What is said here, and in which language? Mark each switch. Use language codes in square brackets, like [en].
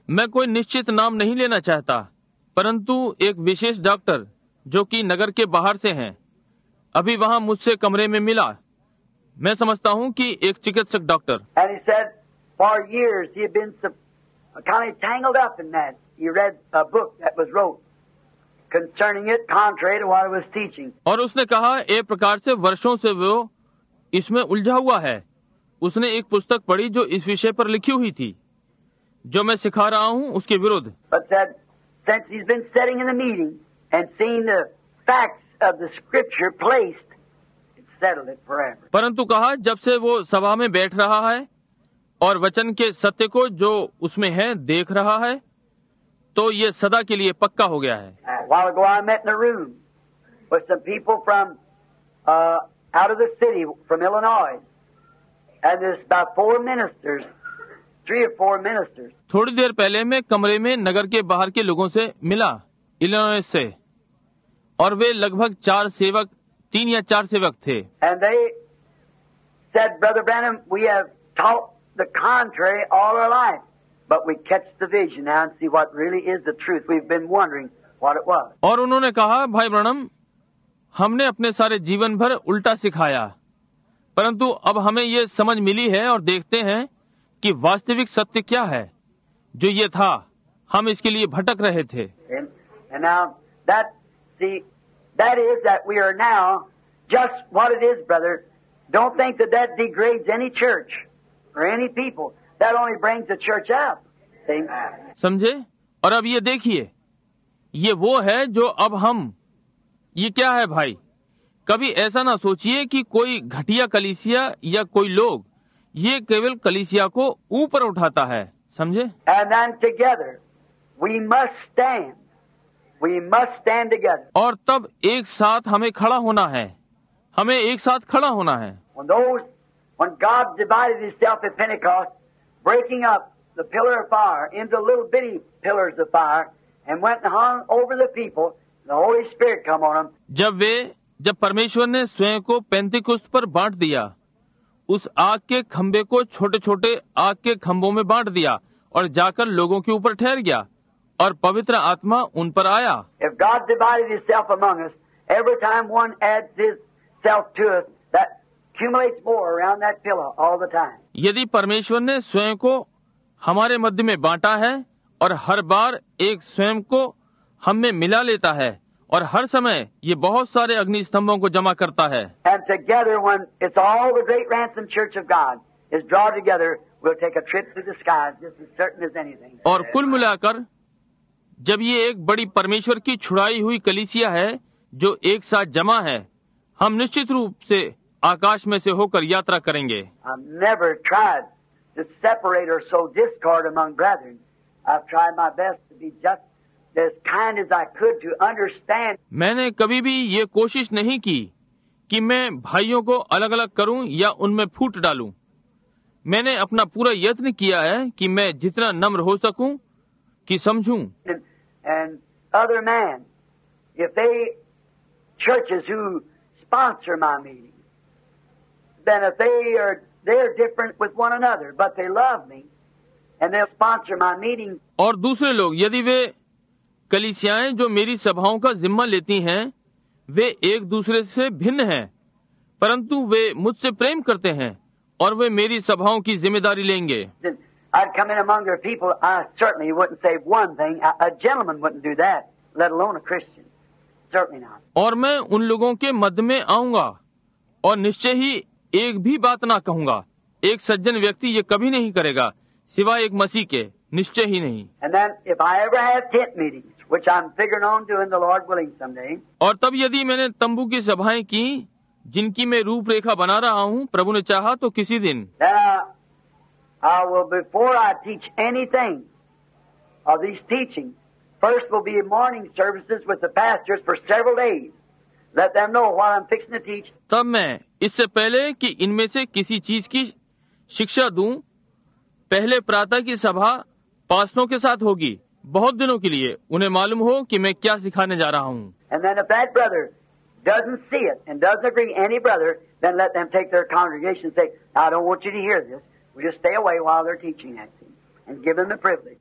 [hi] मैं कोई निश्चित नाम नहीं लेना चाहता, परंतु एक विशेष डॉक्टर जो कि नगर के बाहर से हैं, अभी वहाँ मुझसे कमरे में मिला। मैं समझता हूँ कि एक चिकित्सक doctor. [en] And he said, for years he had been kind of tangled up in that. He read a book that was wrote, concerning it contrary to what it was teaching. [hi] और उसने कहा एक प्रकार से वर्षों से वो इसमें उलझा हुआ है. उसने एक पुस्तक पढ़ी जो इस विषय पर लिखी हुई थी, जो मैं सिखा रहा हूँ उसके विरुद्ध. [en] But that since he's been sitting in the meeting and seeing the facts of the scripture placed, it settled it forever. [hi] परंतु कहा जब से वो सभा में बैठ रहा है और वचन के सत्य को जो उसमें है देख रहा है, तो ये सदा के लिए पक्का हो गया है. [en] While ago I met in a room with some people from out of the city from Illinois, and there's about four ministers, three or four ministers. [hi] थोड़ी देर पहले मैं कमरे में नगर के बाहर के लोगों से मिला इलिनॉइस से, और वे लगभग चार सेवक, तीन या चार सेवक थे. [en] And they said, Brother Branham, we have taught the contrary all our life. But we catch the vision now and see what really is the truth. We've been wondering what it was. [hi] और उन्होंने कहा भाई ब्रणम, हमने अपने सारे जीवन भर उल्टा सिखाया, परंतु अब हमें ये समझ मिली है और देखते हैं कि वास्तविक सत्य क्या है जो ये था. हम इसके लिए भटक रहे थे. [en] And now that, see, that is that we are now just what it is, brother. Don't think that that degrades any church or any people. That only brings the church up. [hi] समझे? और अब ये देखिए, ये वो है जो अब हम, ये क्या है भाई? कभी ऐसा ना सोचिए कि कोई घटिया कलीसिया या कोई लोग, ये केवल कलीसिया को ऊपर उठाता है, समझे? [en] And then together, we must stand. We must stand together. [hi] और तब एक साथ हमें खड़ा होना है. हमें एक साथ खड़ा होना है. [en] When God divided Himself at Pentecost. Breaking up the pillar of fire into little bitty pillars of fire, and went and hung over the people. The Holy Spirit come on them. [hi] जब परमेश्वर ने स्वयं को पेंतिकुस्त पर बांट दिया, उस आग के खंभे को छोटे-छोटे आग के खंभों में बांट दिया, और जाकर लोगों के ऊपर ठहर गया, और पवित्र आत्मा उन पर आया. [en] If God divided Himself among us, every time one adds Himself to us, that accumulates more around that pillar all the time. [hi] यदि परमेश्वर ने स्वयं को हमारे मध्य में बांटा है और हर बार एक स्वयं को हम में मिला लेता है और हर समय ये बहुत सारे अग्नि स्तंभों को जमा करता है. [en] And together when it's all the great ransom church of God is drawn together, we'll take a trip through the skies just as certain as anything. [hi] और कुल मिलाकर जब ये एक बड़ी परमेश्वर की छुड़ाई हुई कलीसिया है जो एक साथ जमा है, हम निश्चित रूप से आकाश में से होकर यात्रा करेंगे. [en] I've never tried to separate or sow discord among brethren. I've tried my best to be just as kind as I could to understand. [hi] मैंने कभी भी ये कोशिश नहीं की कि मैं भाइयों को अलग अलग करूं या उनमें फूट डालूं. मैंने अपना पूरा यत्न किया है कि मैं जितना नम्र हो सकूं कि समझूं. [en] And other men, if they churches who sponsor my meeting, then if they're different with one another, but they love me and they'll sponsor my meeting. [hi] और दूसरे लोग यदि वे कलीसियाएं जो मेरी सभाओं का जिम्मा लेती हैं, वे एक दूसरे से भिन्न हैं, परंतु वे मुझसे प्रेम करते हैं और वे मेरी सभाओं की जिम्मेदारी लेंगे. [en] I'd come in among their people, I certainly wouldn't say one thing. A gentleman wouldn't do that, let alone a Christian. Certainly not. [hi] और मैं उन लोगों के मध्य में आऊंगा और निश्चय ही एक भी बात ना कहूंगा. एक सज्जन व्यक्ति ये कभी नहीं करेगा सिवाय एक मसीह के, निश्चय ही नहीं. [en] And then if I ever have tent meetings, which I'm figuring on doing the Lord willing someday. [hi] और तब यदि मैंने तंबू की सभाएं की जिनकी मैं रूपरेखा बना रहा हूं, प्रभु ने चाहा तो किसी दिन. [en] Then I will, before I teach anything of these teachings, first will be morning services with the pastors for several days. Let them know what I'm fixing to teach. [hi] तब मैं इससे पहले कि इनमें से किसी चीज की शिक्षा दूं, पहले प्रातः की सभा पास्टरों के साथ होगी बहुत दिनों के लिए, उन्हें मालूम हो कि मैं क्या सिखाने जा रहा हूं. [en] And then if that brother doesn't see it and doesn't agree any brother, then let them take their congregation and say, I don't want you to hear this. We'll just stay away while they're teaching it. And give them the privilege.